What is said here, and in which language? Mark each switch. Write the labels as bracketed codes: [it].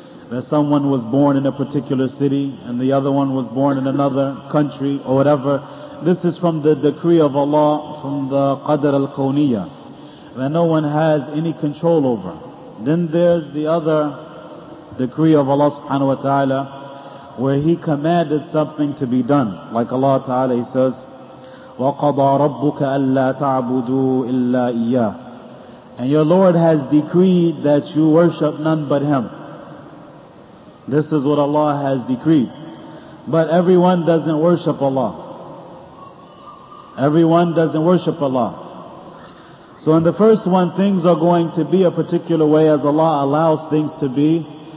[en] That someone was born in a particular city and the other one was born in another country or whatever. This is from the decree of Allah, from the Qadr al-Kawniyya, that no one has any control over. Then there's the other decree of Allah subhanahu wa ta'ala where He commanded something to be done. Like Allah ta'ala, He says, [ar] وَقَضَى رَبُّكَ أَلَّا تَعْبُدُوا إِلَّا إِيَّاهُ. [en] And your Lord has decreed that you worship none but Him. This is what Allah has decreed. But everyone doesn't worship Allah. Everyone doesn't worship Allah. So in the first one, things are going to be a particular way as Allah allows things to be.